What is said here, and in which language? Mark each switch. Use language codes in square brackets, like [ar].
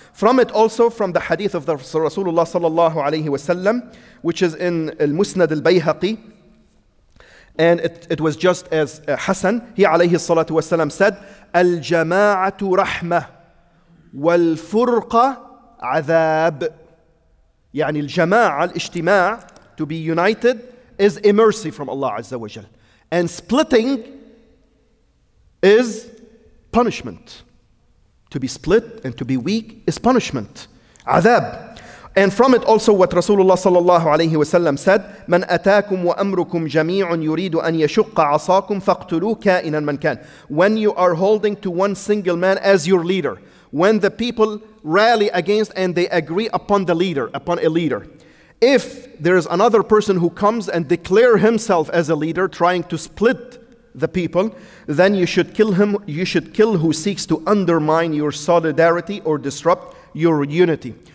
[en] From it also, from the hadith of the Rasulullah sallallahu alayhi wa sallam, which is in al-Musnad al-Bayhaqi, and it was just as Hassan, he alayhi salatu wa sallam said, [ar] al-jama'atu rahmah, wal-furqa azab. [en] Yani al-jama'ah, al-ijtima' to be united, is a mercy from Allah Azza wa Jal. And splitting is punishment. To be split and to be weak is punishment. Azab. And from it also what Rasulullah sallallahu alayhi wa sallam said, [ar] من أتاكم وأمركم جميع يريد أن يشق عصاكم فاقتلوا كائنا من كان. [en] When you are holding to one single man as your leader, when the people rally against and they agree upon the leader, upon a leader. If there is another person who comes and declare himself as a leader trying to split the people, then you should kill him, you should kill who seeks to undermine your solidarity or disrupt your unity.